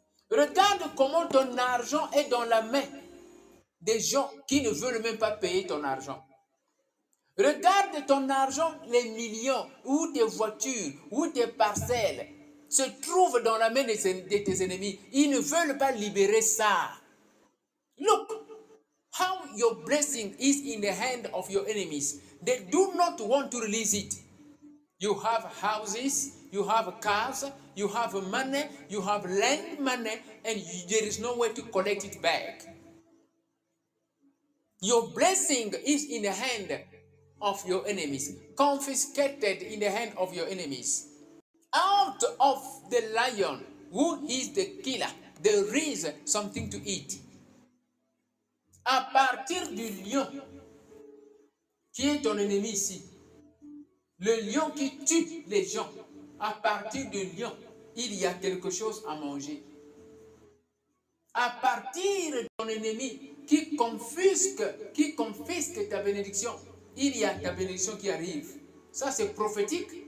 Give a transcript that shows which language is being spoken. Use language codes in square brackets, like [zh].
[fr] Regarde comment ton argent est dans la main des gens qui ne veulent même pas payer ton argent. Regarde ton argent, les millions, ou tes voitures, ou tes parcelles, se trouvent dans la main de tes ennemis. Ils ne veulent pas libérer ça. [en] Look how your blessing is in the hand of your enemies. They do not want to release it. You have houses, you have cars, you have money, you have land money, and there is no way to collect it back. Your blessing is in the hand of your enemies, confiscated in the hand of your enemies. Out of the lion, who is the killer, there is something to eat. [fr] À partir du lion qui est ton ennemi ici, le lion qui tue les gens, à partir du lion, il y a quelque chose à manger. À partir de ton ennemi qui confisque ta bénédiction, il y a ta bénédiction qui arrive. Ça, c'est prophétique.